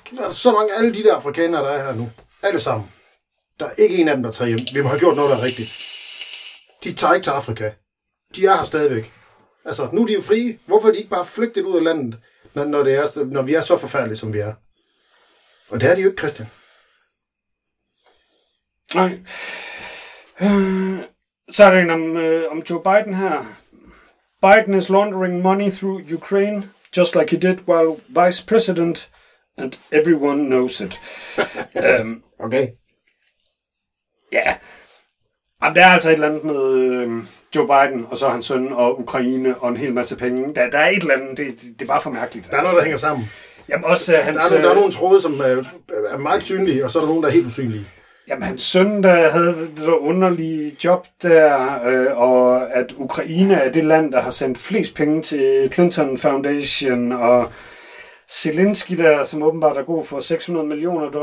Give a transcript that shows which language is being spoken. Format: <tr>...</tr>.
<da>Så mange alle de der afrikanere, der er her nu, alle sammen, der er ikke en af dem, der tager hjem. Vi må have gjort noget, der er rigtigt. De tager ikke til Afrika. De er her stadigvæk. Altså, nu er de jo frie. Hvorfor er de ikke bare flygtet ud af landet, når vi er så forfærdelige, som vi er? Og det er de jo ikke, Christian. Nej. Så er der en om Joe Biden her.</da> <en>Biden is laundering money through Ukraine, just like he did while vice president, and everyone knows it. Okay. Ja. Yeah.</en> <da>Der er altså et eller andet med Joe Biden, og så hans søn, og Ukraine, og en hel masse penge. Der er et eller andet, det er bare for mærkeligt. Der er noget, der hænger sammen. Jamen, også, hans, der er nogle tråde, som er meget synlige, og så er der nogle, der er helt usynlige. Jamen, hans søn, der havde det så underlige job der, og at Ukraine er det land, der har sendt flest penge til Clinton Foundation, og Zelensky der, som åbenbart er god for $600 million.</da>